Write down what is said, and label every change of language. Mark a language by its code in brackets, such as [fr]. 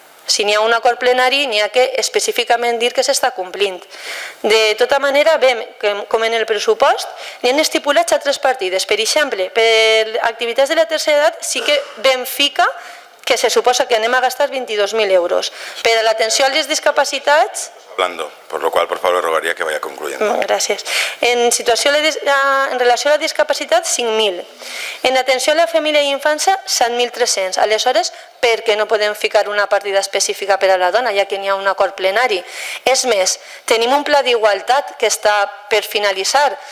[ca] Si n'hi ha un acord plenari, n'hi ha que específicament dir que s'està complint. De tota manera, veiem com en el pressupost n'hi han estipulat altres partides. Per exemple, per activitats de la tercera edat sí que veiem fica que se suposa que anem a gastar 22,000 euros. Per a l'atenció a les discapacitats... [es] Hablando, por lo cual, por favor, rogaría que vaya concluyendo. [ca] Gràcies. En relació a la discapacitat, 5,000. En atenció a la família i infància, 7,300. Aleshores, per què no podem ficar una partida específica per a la dona, ja que n'hi ha un acord plenari? És més, tenim un pla d'igualtat que està per finalitzar.